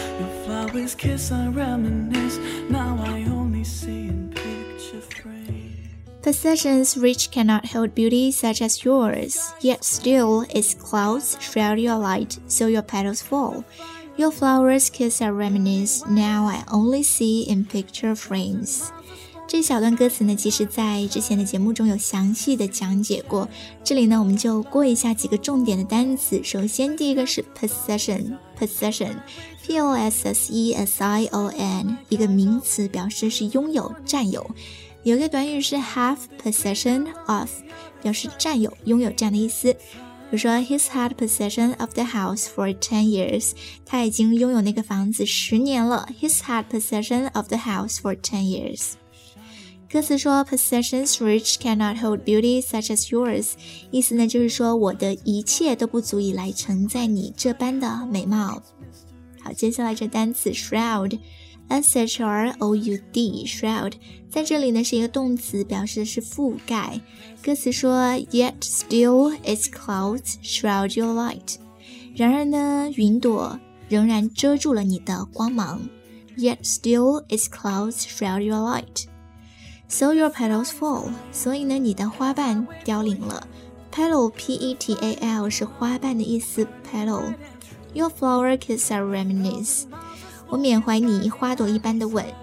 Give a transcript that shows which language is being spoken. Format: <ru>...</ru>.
<en>Your flowers kiss, I reminisce. Now I only see in picture frames. Possessions reach cannot hold beauty such as yours. Yet still its clouds shroud your light so your petals fall. Your flowers kiss, I reminisce. Now I only see in picture frames.</en> <zh>这小段歌词呢，其实在之前的节目中有详细的讲解过，这里呢我们就过一下几个重点的单词。首先第一个是 possession, possession, P-O-S-S-E-S-I-O-N, 一个名词，表示是拥有、占有。有一个短语是 have possession of, 表示占有、拥有这样的意思。比如说</zh> <en>he's had possession of the house for 10 years,</en> <zh>他已经拥有那个房子十年了。</zh> <en>He's had possession of the house for 10 years.</en> <zh>歌词说</zh> <en>possessions rich cannot hold beauty such as yours,</en> <zh>意思呢就是说我的一切都不足以来承载你这般的美貌。好，接下来这单词 shroud, S-H-R-O-U-D, shroud, 在这里呢是一个动词，表示的是覆盖。歌词说</zh> <en>yet still its clouds shroud your light,</en> <zh>然而呢云朵仍然遮住了你的光芒。</zh> <en>yet still its clouds shroud your light. So your petals fall,</en> <zh>所以呢你的花瓣凋零了。 Petal, P-E-T-A-L, 是花瓣的意思 ,petal.</zh> <en>Your flower kiss are reminisce.</en> <zh>我缅怀你花朵一般的吻。</zh>